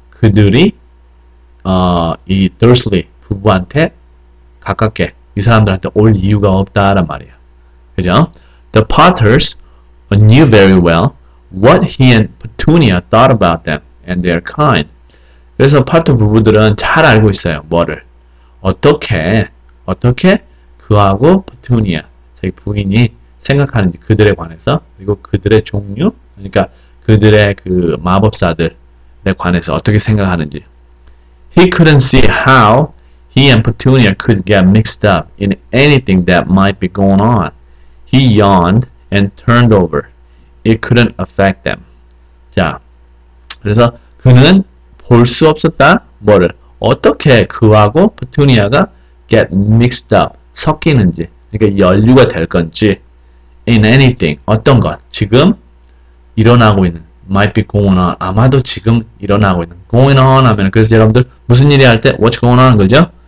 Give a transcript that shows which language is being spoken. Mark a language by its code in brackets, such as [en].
[ko] 그들이 이 Dursley 부부한테 가깝게 이 사람들한테 올 이유가 없다란 말이에요. 그죠? [en] The Potters knew very well what he and Petunia thought about them and their kind. [ko] 그래서 파트 부부들은 잘 알고 있어요. 뭐를? 어떻게 그하고 Petunia, 자기 부인이 생각하는지 그들에 관해서, 그리고 그들의 종류, 그러니까 그들의 그 마법사들에 관해서 어떻게 생각하는지. [en] He couldn't see how he and Petunia could get mixed up in anything that might be going on. He yawned and turned over. It couldn't affect them. [ko] 자, 그래서 그는 볼 수 없었다. 뭐를? 어떻게 그하고 Petunia가 get mixed up, 섞이는지, 그러니까 연류가 될 건지. In anything, 어떤 것, 지금 일어나고 있는, might be going on, 아마도 지금 일어나고 있는, going on 하면, 그래서 여러분들 무슨 일이 할 때 what's going on 거죠?